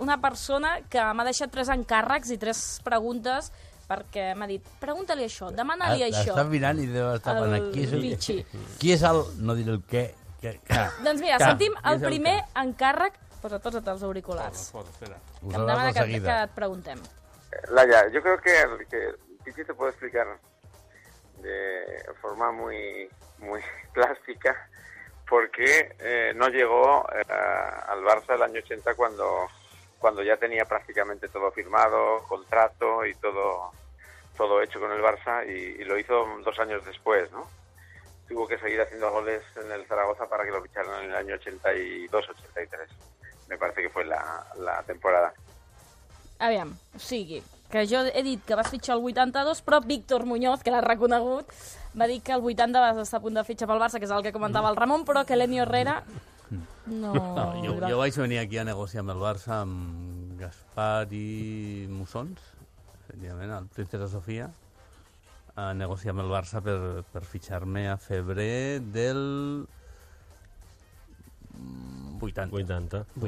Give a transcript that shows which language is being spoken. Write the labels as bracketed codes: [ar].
[ca] Una persona que m'ha deixat 3 encàrrecs i 3 preguntes perquè m'ha dit, pregunta-li això, demana-li això. Està mirant i deu estar parlant. Qui és el Vichy? Qui és el... No diré el què. Doncs mira, sentim el primer encàrrec. Posa tots els auriculars. Posa, espera. Que em demana que et preguntem. [es] Laia, yo creo que el Vichy te puede explicar de forma muy, muy plástica por qué no llegó al Barça el año 80 cuando ya tenía prácticamente todo firmado, contrato y todo hecho con el Barça, y lo hizo 2 años después, ¿no? Tuvo que seguir haciendo goles en el Zaragoza para que lo ficharan en el año 82-83. Me parece que fue la temporada. [ca] Aviam, o sigui, que jo he dit que vas fitxar el 82, però Víctor Muñoz, que l'ha reconegut, va dir que el 80 vas estar a punt de fitxar pel Barça, que és el que comentava el Ramon, però que Eleni Herrera... No, jo vaig venir aquí a negociar amb el Barça amb Gaspar i Mussons, efectivament, el Princesa Sofia, a negociar amb el Barça per fitxar-me a febrer del 80.